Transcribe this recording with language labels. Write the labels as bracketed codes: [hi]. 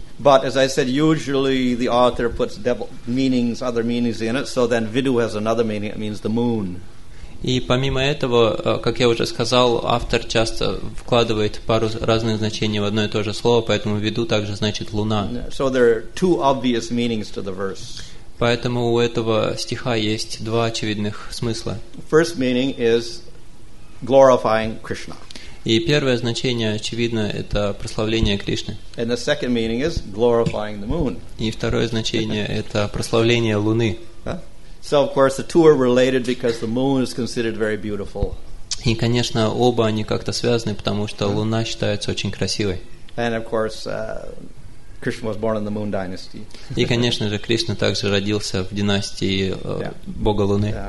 [en] But as I said, usually the author puts devil meanings, other meanings in it. So then, vidu has another meaning. It means the moon. [ru] И помимо этого, как я уже сказал, автор часто вкладывает пару разных значений в одно и то же слово, поэтому vidu также значит луна. [en] So there are two obvious meanings to the verse. [ru] Поэтому у этого стиха есть два очевидных смысла. [en] First meaning is glorifying Krishna. [ru] И первое значение, очевидно, это прославление Кришны. [en] And the second meaning is glorifying the moon. [ru] И второе значение – это прославление Луны. [en] So, of course, the two are related because the moon is considered very beautiful. [ru] И, конечно, оба они как-то связаны, потому что Луна считается очень красивой. [en] And, of course, Krishna was born in the Moon Dynasty. [ru] И, конечно же, Кришна также родился в династии Бога Луны.